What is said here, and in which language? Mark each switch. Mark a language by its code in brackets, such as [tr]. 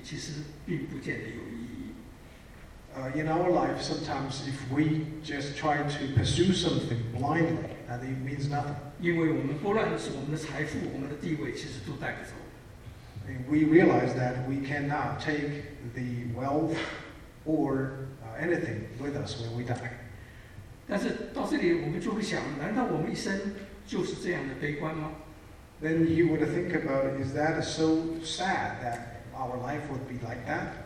[zh] 其实我们在我们人生的一生当中，很多时候我们盲目的追寻一些东西，其实并不见得有意义。 [en] In our life, sometimes if we just try to pursue something blindly, that it means nothing. [zh] 因为我们不论是我们的财富，我们的地位，其实都带不走。 [en] We realize that we cannot take the wealth or anything with us when we die. [zh] 但是到这里我们就会想，难道我们一生就是这样的悲观吗？ [en] Then you would think about, is that so sad that our life would be like that?